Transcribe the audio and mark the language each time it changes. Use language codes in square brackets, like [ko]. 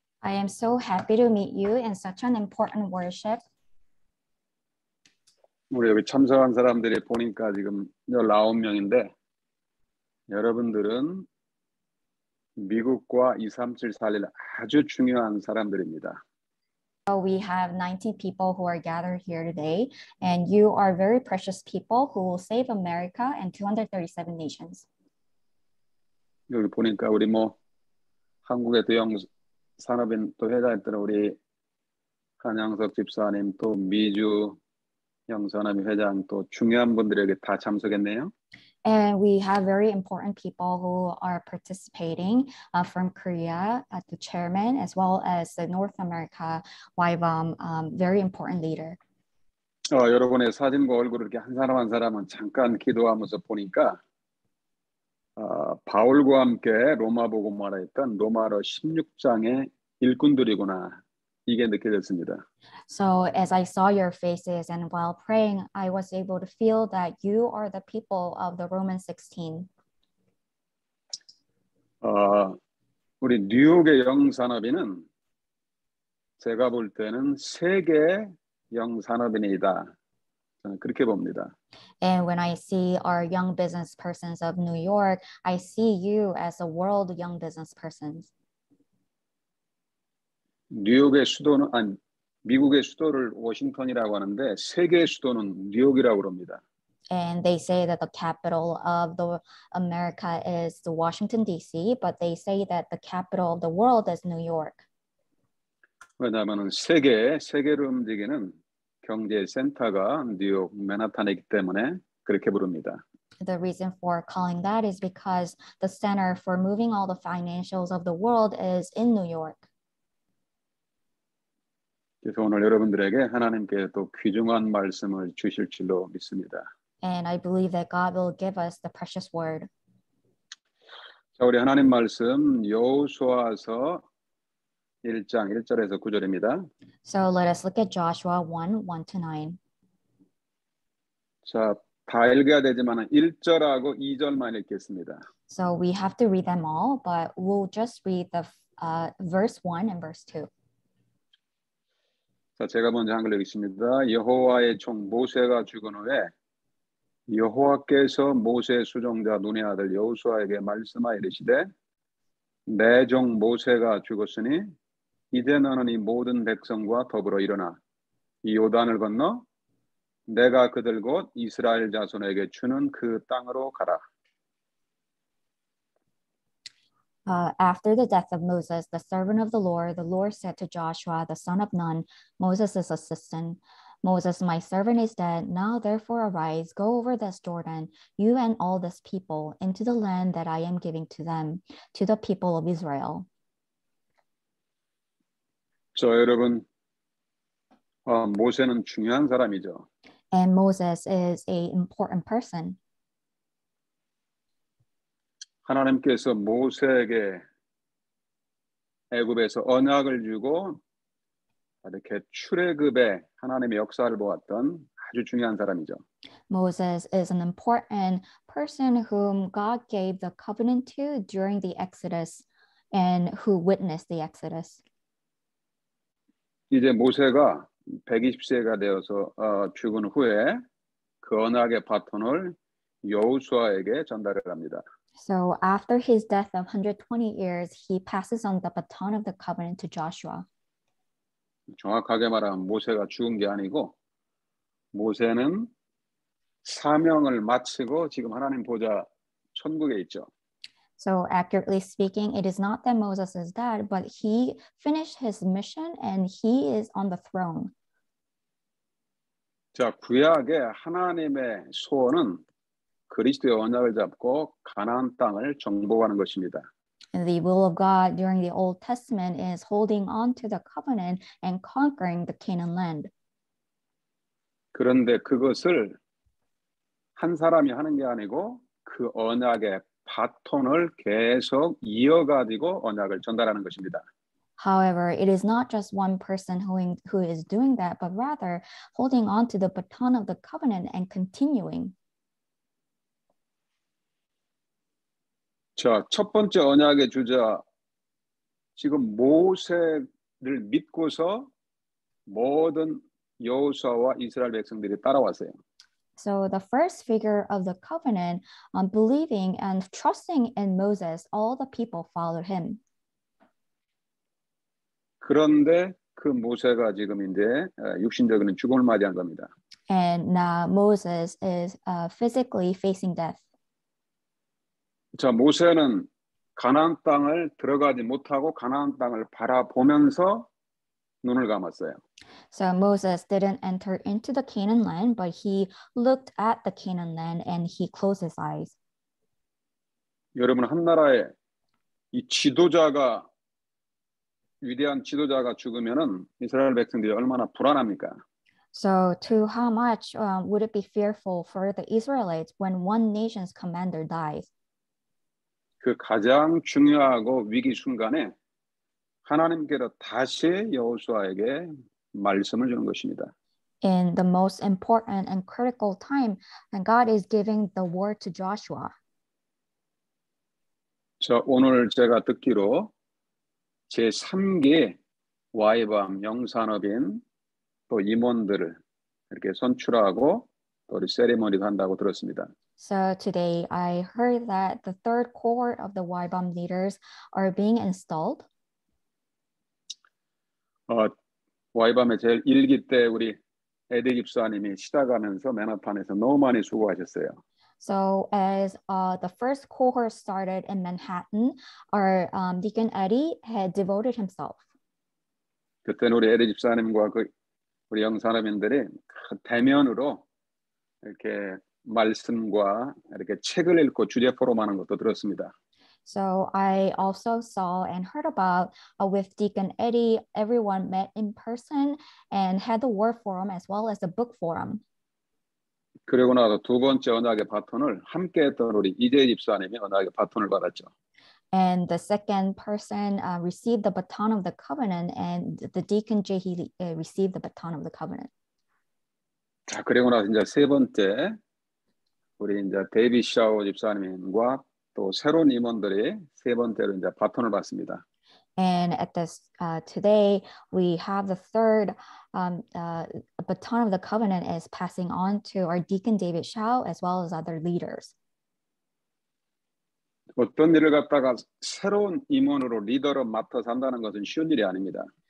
[en] I am so happy to meet you in such an important worship. [ko] 우리 여기 참석한 사람들이 보니까 지금 19명인데 여러분들은 미국과 237 살릴 아주 중요한 사람들입니다. [en] So we have 19 people who are gathered here today, and you are very precious people who will save America and 237 nations. [ko] 여기 보니까 우리 뭐 한국의 대형 산업인 또 회장했던 우리 한양석 집사님 또 미주 영산업 회장 또 중요한 분들에게 다 참석했네요. [en] And we have very important people who are participating from Korea at the chairman, as well as the North America YBAWM, very important leader. [ko] 여러분의 사진과 얼굴을 이렇게 한 사람 한 사람은 잠깐 기도하면서 보니까 바울과 함께 로마 보고 말했던 로마서 16장의 일꾼들이구나 이게 느껴졌습니다. [en] So as I saw your faces and while praying, I was able to feel that you are the people of the Romans 16. [ko] 우리 뉴욕의 영산업인은 제가 볼 때는 세계 영산업인이다. 저는 그렇게 봅니다. [en] And when I see our young business persons of New York, I see you as a world young business persons. [ko] 뉴욕의 수도는 아니 미국의 수도를 워싱턴이라고 하는데 세계 수도는 뉴욕이라고 합니다. [en] And they say that the capital of the America is the Washington D.C., but they say that the capital of the world is New York. [ko] 왜냐하면 세계를 움직이는 경제 센터가 뉴욕 맨하탄이기 때문에 그렇게 부릅니다. [en] The reason for calling that is because the center for moving all the financials of the world is in New York. [ko] 그래서 오늘 여러분들에게 하나님께 또 귀중한 말씀을 주실 줄로 믿습니다. [en] And I believe that God will give us the precious word. [ko] 자, 우리 하나님 말씀 여호수아서 1장 1절에서 9절입니다. [en] So let us look at Joshua 1, 1-9. [ko] 자, 다 읽어야 되지만 1절하고 2절만 읽겠습니다. [en] So we have to read them all, but we'll just read the verse 1 and verse 2. [ko] 자, 제가 먼저 한글로 읽습니다. 여호와의 종 모세가 죽은 후에 여호와께서 모세 수종자 눈의 아들 여호수아에게 말씀하이르시되 내 종 모세가 죽었으니 이제 너는 이 모든 백성과 더불어 일어나 이 요단을 건너 내가 그들 곧 이스라엘 자손에게 주는 그 땅으로 가라. [en] After the death of Moses, the servant of the Lord said to Joshua, the son of Nun, Moses' assistant, Moses, my servant is dead. Now, therefore, arise, go over this Jordan, you and all this people, into the land that I am giving to them, to the people of Israel. [ko] 자, 여러분, 모세는 중요한 사람이죠. [en] And Moses is an important person. [ko] 하나님께서 모세에게 애굽에서 언약을 주고 이렇게 출애굽의 하나님의 역사를 보았던 아주 중요한 사람이죠. [en] Moses is an important person whom God gave the covenant to during the Exodus and who witnessed the Exodus. [ko] 이제 모세가 120세가 되어서 죽은 후에 그 언약의 바톤을 여호수아에게 전달을 합니다. [en] So after his death of 120 years, he passes on the baton of the covenant to Joshua. [ko] 정확하게 말하면 모세가 죽은 게 아니고 모세는 사명을 마치고 지금 하나님 보좌 천국에 있죠. [en] So accurately speaking, it is not that Moses is dead, but he finished his mission and he is on the throne. [ko] 자, 구약의 하나님의 소원은 그리스도의 언약을 잡고 가나안 땅을 정복하는 것입니다. [en] The will of God during the Old Testament is holding on to the covenant and conquering the Canaan land. [ko] 그런데 그것을 한 사람이 하는 게 아니고 그 언약의 바톤을 계속 이어가지고 언약을 전달하는 것입니다. [en] However, it is not just one person who is doing that, but rather holding on to the baton of the covenant and continuing. [ko] 자, 첫 번째 언약의 주자 지금 모세를 믿고서 모든 여호수아와 이스라엘 백성들이 따라왔어요. [en] So the first figure of the covenant on believing and trusting in Moses, all the people followed him. [ko] 그런데 그 모세가 지금 이제 육신적인 죽음을 맞이한 겁니다. [en] And now Moses is physically facing death. [ko] 자, 모세는 가나안 땅을 들어가지 못하고 가나안 땅을 바라보면서 눈을 감았어요. [en] So Moses didn't enter into the Canaan land, but he looked at the Canaan land and he closed his eyes. [ko] 여러분, 한 나라의 이 지도자가 위대한 지도자가 죽으면은 이스라엘 백성들이 얼마나 불안합니까? [en] So to how much would it be fearful for the Israelites when one nation's commander dies? [ko] 그 가장 중요하고 위기 순간에 하나님께서 다시 여호수아에게 말씀을 주는 것입니다. [en] In the most important and critical time, and God is giving the word to Joshua. [ko] 저 오늘 제가 듣기로 제 3기 YBAWM 영산업인 또 임원들을 이렇게 선출하고 또 우리 세리머니도 한다고 들었습니다. [en] So today I heard that the third cohort of the YBAWM leaders are being installed. [ko] YBAWM의 제일 일기 때 우리 에디 집사님이 시작하면서 맨하탄에서 너무 많이 수고하셨어요. [en] So as the first cohort started in Manhattan, our Deacon Eddie had devoted himself. [ko] 그때 우리 에디 집사님과 그 우리 영사람인들이 대면으로 이렇게 말씀과 이렇게 책을 읽고 주제 포럼 하는 것도 들었습니다. [en] So I also saw and heard about with Deacon Eddie, everyone met in person and had the word forum as well as a book forum. [ko] 그리고 나서 두 번째 언약의 바톤을 함께 했던 우리 이재 집사님이 언약의 바톤을 받았죠. [en] And the second person received the baton of the covenant, and the deacon Jehi received the baton of the covenant. [ko] 자, 그리고 나서 이제 세 번째 우리 이제 데이비 샤오 집사님과 또 새로운 임원들이 세 번째로 이제 바톤을 받습니다. [en] And at this today we have the third baton of the covenant is passing on to our deacon David Shao as well as other leaders. [ko] 어떤 일을 갖다가 새로운 임원으로 리더로 맡아서 한다는 것은 쉬운 일이 아닙니다.